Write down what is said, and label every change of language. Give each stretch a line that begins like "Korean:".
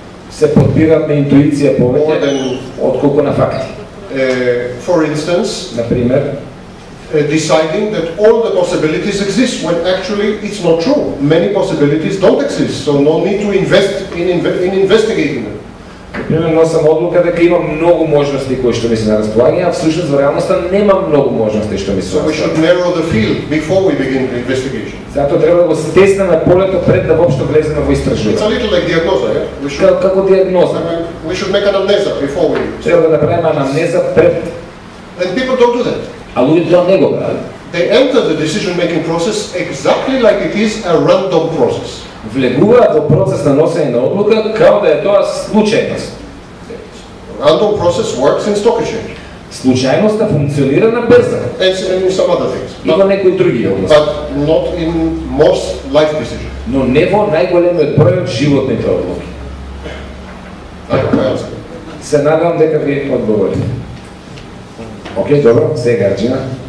Macedonian: Се подбирам на интуиција повеќе од колку на факти.
English: For instance,
Macedonian: на пример,
English: deciding that all the possibilities exist when actually it's not true. Many possibilities don't exist, so no need to invest in investigating them.
Macedonian: Например, носам одлука дека имам многу можности кои што ми се на располагање, а всушност во реалноста нема многу можности што ми се.
English: So we should narrow the field before we begin the investigation.
Macedonian: Затоа треба да го стеснеме полето пред да воопшто влеземе во истражување.
English: It's a little like diagnosa, yeah? We should...
Macedonian: Како диагноза?
English: We should make an amnesa before we...
Macedonian: Треба да направиме анамнеза пред...
English: And people don't do that.
Macedonian: А луѓето не го прават.
English: They enter the decision-making process exactly like it is a random process.
Macedonian: Влегуваат во процес на носење на одлука како да е тоа случајност.
English: Random process works in stock exchange.
Macedonian: Случајноста функционира на берза.
English: And in some other things.
Macedonian: И во некои други области.
English: But not in most life decisions.
Macedonian: Но не во најголемиот број од животните одлуки. Се надевам дека ви одговорив. Окей, добро, сега Арчина.